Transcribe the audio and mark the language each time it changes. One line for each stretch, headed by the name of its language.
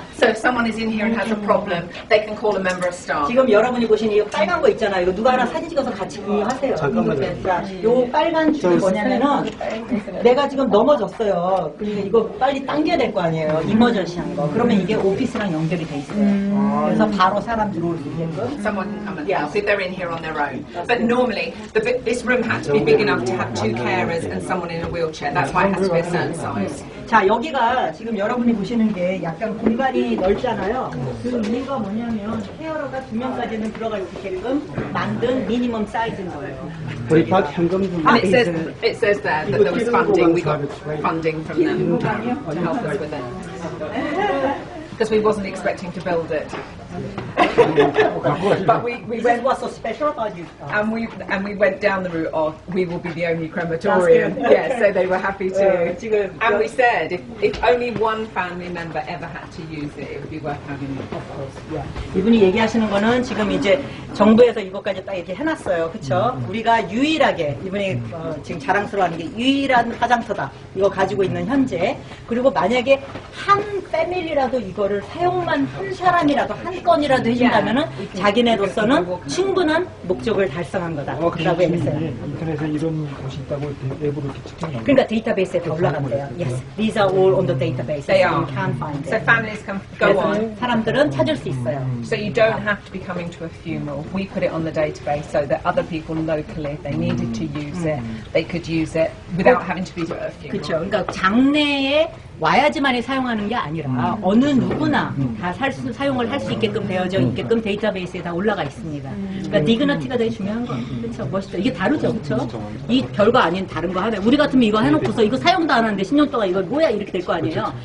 English: So if someone is in here and has a problem, they can call a member of staff.
Korean: 지금 여러분이 보신 이 빨간 거 있잖아요. 이거 누가 하나 사진 찍어서 같이 공유하세요. 잠깐만요. 이 빨간 줄이 뭐냐면은 내가 지금 넘어졌어요. 그러니까 이거 빨리 당겨야 될 거 아니에요. 이머전시 한 거. 그러면 이게 오피스랑 연결이 돼 있어요. 그래서 바로 사람 들어올 수 있는 거.
English: Someone come and sit there in here on their own. But normally, this room had to be big enough to have two carers and someone in a wheelchair. That's why it has to be a certain size.
Korean: 자, 여기가 지금 여러분이 보시는 게 약간 공간이 넓잖아요. 그 의미가 뭐냐면 케어러가 두 명까지는 들어가 있기 때문에 만든 미니멈 사이즈인 거예요. 우리 박 현금 좀
English: And it says that, that there was funding. We got funding from them to help us with it. Because we wasn't expecting to build it. But we went what's so special about you? And we went down the route of we will be the only crematorium. Yes, so they were happy to. And we said if only one family member ever had to use it, it would be worth having it. Of course. Yeah.
Korean: 이분이 얘기하시는 거는 지금 이제 정부에서 이것까지 딱 이렇게 해놨어요. 그렇죠? 우리가 유일하게 이분이 지금 자랑스러워하는 게 유일한 화장터다. 이거 가지고 있는 현재. 그리고 만약에 한 패밀리라도 이거를 사용만 한 사람이라도 한 건이라도 해준다면은 자기네로서는 충분한 목적을 달성한 거다라고 했어요. 인터넷에 이런 곳이 있다고 앱으로 측정한 거. 그러니까 데이터베이스에 다 올라간대요.
English: Yes, these are all on the database. They are. Can find it. So families can go on.
Korean: 사람들은 찾을 수 있어요.
English: So you don't have to be coming to a funeral. We put it on the database so that other people locally, if they needed to use it, they could use it without having to be to a funeral.
Korean: 그렇죠. 그러니까 장례에 와야지만이 사용하는 게 아니라 어느 누구나 다 사용을 할 수 있게끔 되어져 있게끔 데이터베이스에 다 올라가 있습니다. 그러니까 디그너티가 되게 중요한 거. 그렇죠. 멋있죠. 이게 다르죠. 그렇죠. 이 결과 아닌 다른 거 하나. 우리 같으면 이거 해놓고서 이거 사용도 안 하는데 10년 동안 이거 뭐야 이렇게 될 거 아니에요.